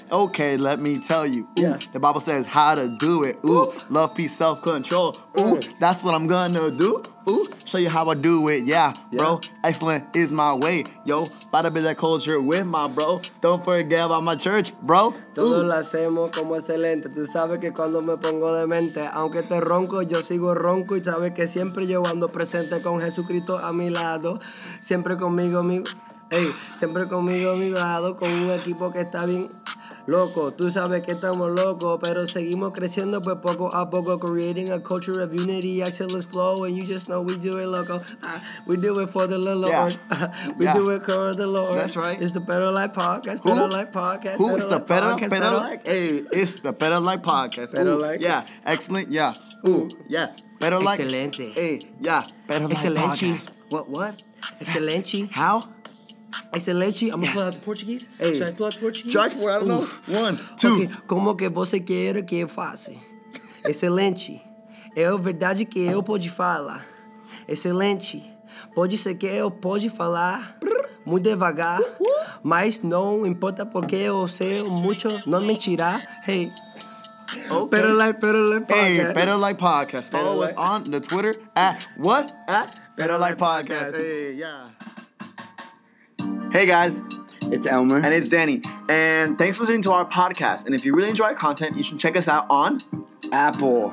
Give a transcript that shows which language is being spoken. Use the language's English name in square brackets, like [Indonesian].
[English] Okay, let me tell you. Ooh, yeah. The Bible says how to do it. Ooh, love, peace, self-control. Ooh, that's what I'm gonna do. Ooh, show you how I do it. Yeah, bro. Excellent is my way. Yo, about to build that culture with my bro. Don't forget about my church, bro. [Spanish] Todos lo hacemos como excelente. Tú sabes que cuando me pongo de mente, aunque te ronco, yo sigo ronco. Y sabes que siempre yo ando presente con Jesucristo a mi lado. Siempre conmigo, siempre conmigo a mi lado, con un equipo que está bien loco. Tú sabes que estamos locos, pero seguimos creciendo, pues poco a poco, [English] creating a culture of unity, excellence flow, and you just know we do it loco. We do it for the Lord. Yeah. We do it for the Lord. That's right. It's the Better Life Podcast. Who? Better Life Podcast. Who Better is the Better Life? Better Life? Hey, it's the Better Life Podcast. Better Life. Yeah, excellent. Yeah. Ooh, yeah. Better Life. [Spanish] Excelente. [English] Hey, yeah. Better Life [Spanish] Excelente. [English] Podcast. What? [Spanish] Excelente. [English] How? I said, Lechi, I'm gonna pull out the Portuguese. Hey. Should I pull out the Portuguese? Try for, I don't know. One, two. Okay. [Portuguese] Como que você quer que eu faça? Excelente. É verdade que eu pode falar. Excelente. Pode ser que eu pode falar muito devagar, mas não importa porque eu sei muito, não mentirá. Hey. [English] Okay. Better Life Podcast. Follow us on the Twitter at what? At Better Life Podcast. Hey, yeah. Hey, guys. It's Elmer. And it's Danny. And thanks for listening to our podcast. And if you really enjoy our content, you should check us out on Apple,